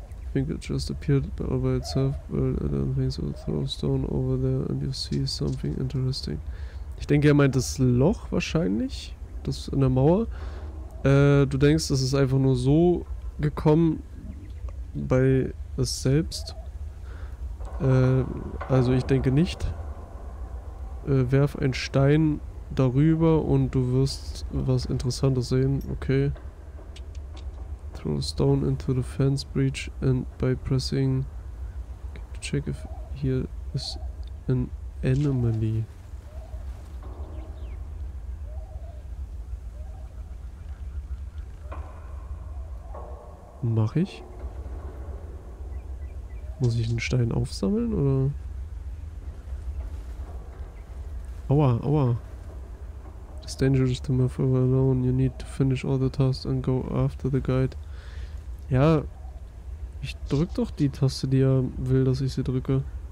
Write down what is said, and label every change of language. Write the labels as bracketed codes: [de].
[en] I think it just appeared all by itself, but I don't think so. Throw a stone over there and you see something interesting. [de] Ich denke, er meint das Loch wahrscheinlich, das in der Mauer. Du denkst, es ist einfach nur so gekommen bei es selbst. Also ich denke nicht. Werf einen Stein darüber und du wirst was Interessantes sehen. Okay. [en] Throw a stone into the fence breach and by pressing to check if here is an anomaly. [de] Mach ich? Muss ich einen Stein aufsammeln oder? [en] Aua, aua. It's dangerous to move over alone. You need to finish all the tasks and go after the guide. [de] Ja, ich drück doch die Taste, die er will, dass ich sie drücke.